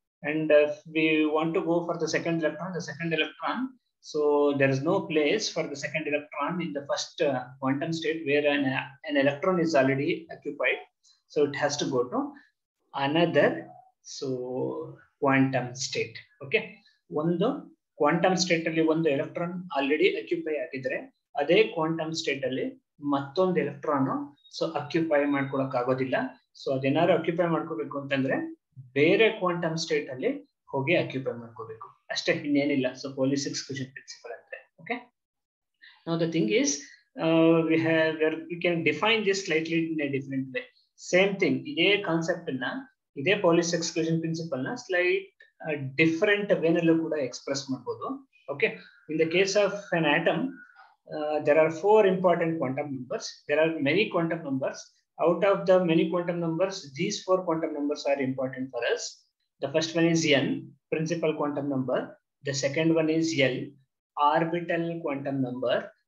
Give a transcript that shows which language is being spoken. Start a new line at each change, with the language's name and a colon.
English: And if we want to go for the second electron, so there is no place for the second electron in the first quantum state where an electron is already occupied. So it has to go to another quantum state. Okay.
Kannada: Quantum state ಅಲ್ಲಿ ಒಂದು electron already occupy ಆಗಿದ್ರೆ ಅದೇ quantum state ಅಲ್ಲಿ ಮತ್ತೊಂದು electron so occupy ಮಾಡ್ಕೊಳಕ್ ಆಗೋದಿಲ್ಲ. So ಅದೇನಾದ್ರು occupy ಮಾಡ್ಕೋಬೇಕು ಅಂತಂದ್ರೆ ಬೇರೆ ಕ್ವಾಂಟಮ್ ಸ್ಟೇಟ್ ಅಲ್ಲಿ ಹೋಗಿ ಅಕ್ಯುಪೈ ಮಾಡ್ಕೋಬೇಕು ಅಷ್ಟೇ, ಇನ್ನೇನಿಲ್ಲ.
English: So Pauli's exclusion principle ಅಂದ್ರೆ okay. Now the thing is we can define this slightly in a different way.
Kannada: Same thing, ಇದೇ ಕಾನ್ಸೆಪ್ಟ್ ನ, ಇದೇ ಪೊಲೀಸ್ ಎಕ್ಸ್ಕ್ಲೂಷನ್ ಪ್ರಿನ್ಸಿಪಲ್ ನ slight different way nalli kuda express maadabodu.
English: Okay, in the case of an atom, there are four important quantum numbers. There are many quantum numbers. Out of the many quantum numbers, these four quantum numbers are important for us. The first one is n, principal quantum number. The second one is l, orbital quantum number.